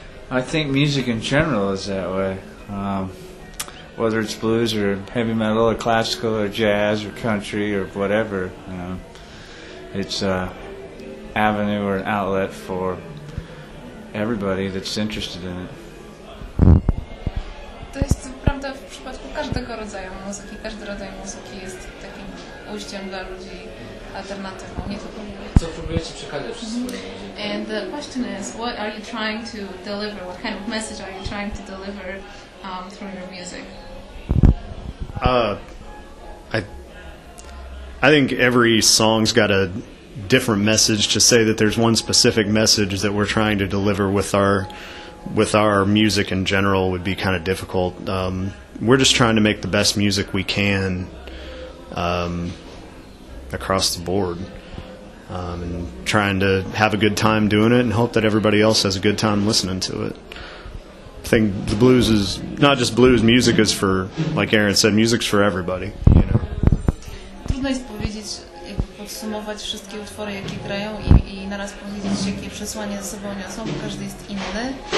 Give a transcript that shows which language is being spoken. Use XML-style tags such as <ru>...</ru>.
<en>I think music in general is that way. Whether it's blues or heavy metal or classical or jazz or country or whatever, you know, it's an avenue or an outlet for everybody that's interested in it.</en> <pl>To jest prawda w przypadku każdego rodzaju muzyki. Każdy rodzaj muzyki jest takim ujściem dla ludzi, alternatywą, nie tylko. Co próbujecie przekazać przez swoje muzyki?</pl> <en>And the question is, what are you trying to deliver? What kind of message are you trying to deliver through your music? I think every song's got a different message. To say that there's one specific message that we're trying to deliver with our music in general would be kind of difficult. We're just trying to make the best music we can across the board, and trying to have a good time doing it and hope that everybody else has a good time listening to it. I think the blues is not just blues, music is for, like Aaron said, music's for everybody, you know.</en> <pl>Trudno jest powiedzieć, podsumować wszystkie utwory, jakie grają i naraz powiedzieć, jakie przesłanie ze sobą niosą, bo każdy jest inny.</pl>